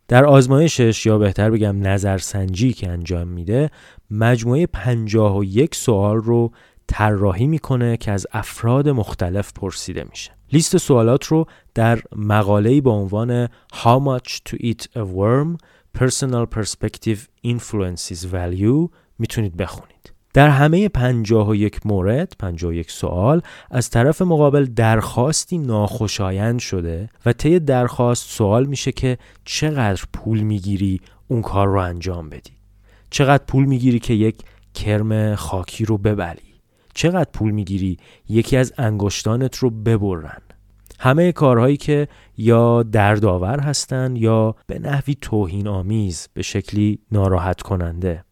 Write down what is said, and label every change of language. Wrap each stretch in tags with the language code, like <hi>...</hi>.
<fa>در آزمایشش، یا بهتر بگم نظرسنجی که انجام میده، مجموعه 51 سوال رو طراحی میکنه که از افراد مختلف پرسیده میشه. لیست سوالات رو در مقاله‌ای با عنوان</fa> <en>How much to eat a worm? Personal perspective influences value</en> <fa>میتونید بخونید. در همه 51 مورد، 51 سوال، از طرف مقابل درخواستی ناخوشایند شده و طی درخواست سوال میشه که چقدر پول میگیری اون کار رو انجام بدی؟ چقدر پول میگیری که یک کرم خاکی رو ببلی؟ چقدر پول میگیری یکی از انگشتانت رو ببرن؟ همه کارهایی که یا دردآور هستن یا به نحوی توهین آمیز، به شکلی ناراحت کننده.</fa>